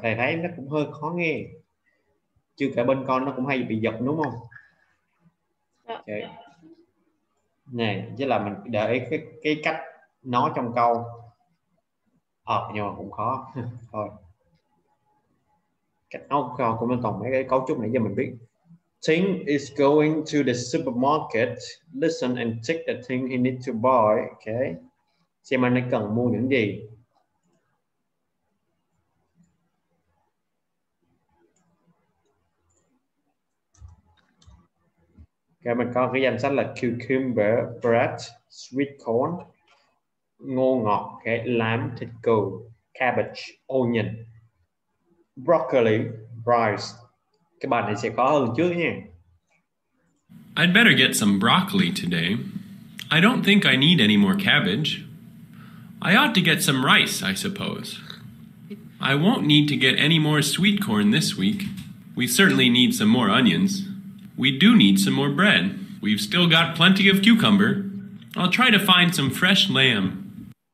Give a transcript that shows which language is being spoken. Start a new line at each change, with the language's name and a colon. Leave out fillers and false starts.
Vietnamese: Thầy thấy nó cũng hơi khó nghe. Chưa kể bên con nó cũng hay bị giật đúng không? Okay. Này, chứ là mình để ý cái cách nói trong câu. Nhưng mà cũng khó. Thôi. Cách nói câu cũng nên tổng mấy cái cấu trúc này giờ mình biết.
English: Ting is going to the supermarket. Listen and take the thing he needs to buy. Okay.
Vietnamese: Xem anh ấy cần mua những gì. Okay, mình có cái danh sách là cucumber, bread, sweet corn, ngô ngọt, okay, lamb, thịt cừu, cabbage, onion, broccoli, rice. Cái bài này sẽ khó hơn trước nha.
English: I'd better get some broccoli today. I don't think I need any more cabbage. I ought to get some rice, I suppose. I won't need to get any more sweet corn this week. We certainly need some more onions. We do need some more bread. We've still got plenty of cucumber. I'll try to find some fresh lamb.